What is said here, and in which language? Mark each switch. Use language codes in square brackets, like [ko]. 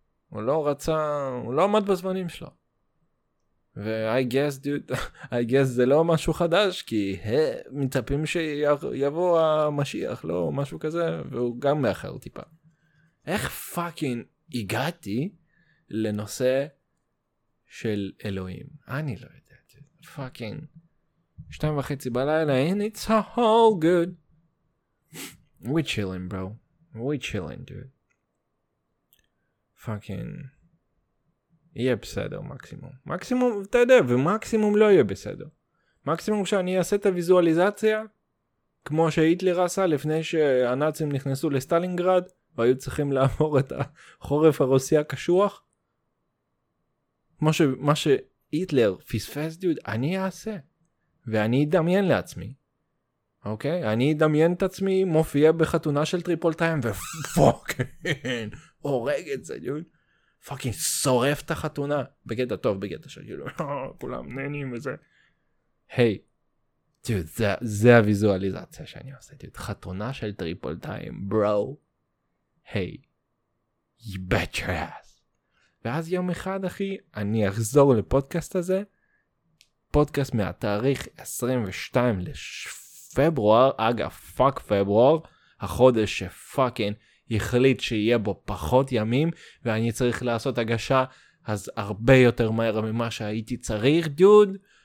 [he] הוא לא רצה... הוא לא עמד בזמנים שלו. ו- [en] I guess, dude, I guess [he] זה לא משהו חדש, כי מצפים שיבוא המשיח, לא משהו כזה, והוא גם מאחר טיפה. איך פאקינג הגעתי לנושא של אלוהים? אני לא יודע, פאקינג. [en] 2:30 [he] בלילה, [en] and it's all good. We chilling, bro. We chilling, dude. פאקינג. [he] יהיה בסדר מקסימום. מקסימום, אתה יודע, ומקסימום לא יהיה בסדר. מקסימום שאני אעשה את הויזואליזציה, כמו שהיטלר עשה לפני שהנאצים נכנסו לסטלינגרד, והיו צריכים לעבור את החורף הרוסי הקשוח. כמו שמה שהיטלר פספס דוד, אני אעשה. ואני אדמיין לעצמי. אוקיי? אני אדמיין את עצמי, מופיע בחתונה של טריפול טיים, ופוקן, הורג את זה דוד. פאקינג שורף את החתונה. בגדע טוב, בגדע שגילו. כולם נהנים וזה. היי, דוד, זה הויזואליזציה שאני עושה, דוד. חתונה של טריפול טיים, ברו. היי, [en] you bet your ass. [he] ואז יום אחד, אחי, אני אחזור לפודקאסט הזה. פודקאסט מהתאריך 22 לפברואר. אגב, פאק פברואר. החודש שפאקינג החליט שיהיה בו פחות ימים, ואני צריך לעשות הגשה, אז הרבה יותר מהר ממה שהייתי צריך, דוד.